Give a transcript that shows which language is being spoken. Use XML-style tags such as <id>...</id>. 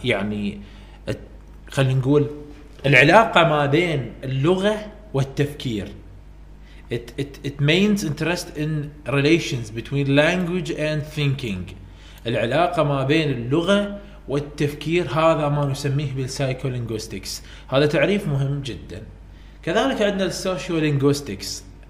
<ar>يعني خلينا نقول العلاقة ما بين اللغة والتفكير.</ar> <en>It means interest in relations between language and thinking.</en> <ar>العلاقة ما بين اللغة والتفكير، هذا ما نسميه بالسايكولينغويستكس. هذا تعريف مهم جدا. كذلك عندنا السوشيولينغويستكس.</ar>